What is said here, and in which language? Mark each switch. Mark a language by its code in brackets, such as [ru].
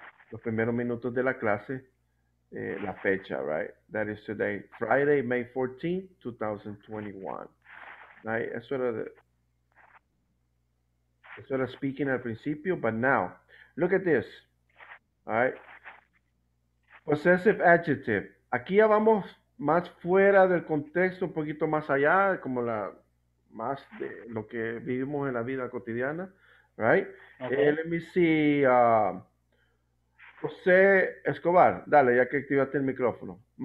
[es] Los primeros minutos de la clase, la fecha, right? [en] That is today, Friday, May 14th, 2021. Right? [es] Eso era speaking al principio, [en] but now, look at this, all right? Possessive adjective. [es] Aquí ya vamos más fuera del contexto, un poquito más allá, como la... más de lo que vivimos en la vida cotidiana, right? [en] Okay. Let me see, [es] José Escobar, dale, ya que activaste el micrófono.